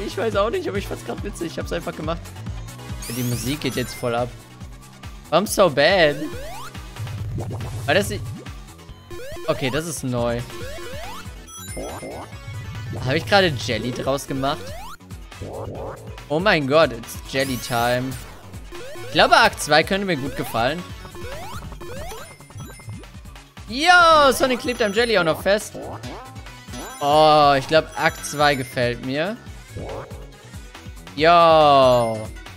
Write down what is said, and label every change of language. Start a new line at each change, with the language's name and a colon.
German: Ich weiß auch nicht, aber ich fand's gerade witzig. Ich hab's einfach gemacht. Die Musik geht jetzt voll ab.
English: I'm so bad.
German: War das... Okay, das ist neu. Habe ich gerade Jelly draus gemacht? Oh mein Gott,
English: it's Jelly Time.
German: Ich glaube, Akt 2 könnte mir gut gefallen. Yo, Sonic klebt am Jelly auch noch fest. Oh, ich glaube, Akt 2 gefällt mir. Yo.